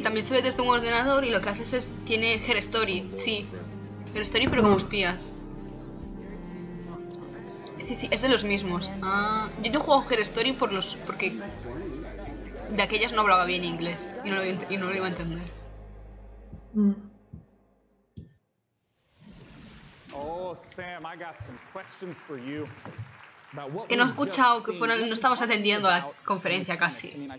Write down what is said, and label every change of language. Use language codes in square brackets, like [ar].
[es] También se ve desde un ordenador y lo que haces es. Tiene Her Story, sí. Her Story, pero como espías. Sí, sí, es de los mismos. Ah, yo no juego Her Story por los. Porque. De aquellas no hablaba bien inglés y no lo iba a entender. [en] Oh, Sam, I got some questions for you. [es] Que no he escuchado, que fueron, no estabas atendiendo a la conferencia casi.